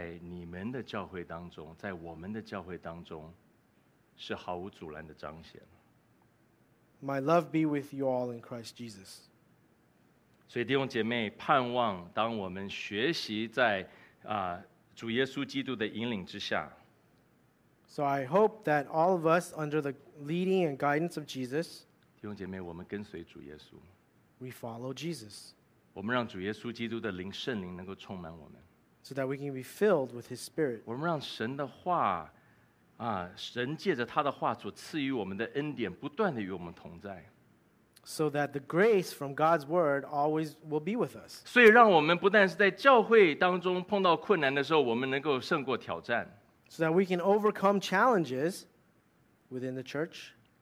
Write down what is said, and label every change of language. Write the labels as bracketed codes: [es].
[zh] 愿这样子的爱在你们的教会当中, 在我们的教会当中, 是毫无阻拦的彰显。 [en] My love be with you all in Christ Jesus. [zh] 所以弟兄姐妹, 盼望当我们学习在 主耶稣基督的引领之下, [en] so I hope that all of us under the leading and guidance of Jesus, [zh] 弟兄姐妹, 我们跟随主耶稣, [en] we follow Jesus. [zh] 我们让主耶稣基督的灵圣灵能够充满我们, [en] so that we can be filled with His Spirit. [zh] 我们让神的话, 神借着他的话所赐予我们的恩典不断地与我们同在, [en] so that the grace from God's word always will be with us. [zh] 所以让我们不但是在教会当中碰到困难的时候，我们能够胜过挑战, [en] so that we can overcome challenges within the church.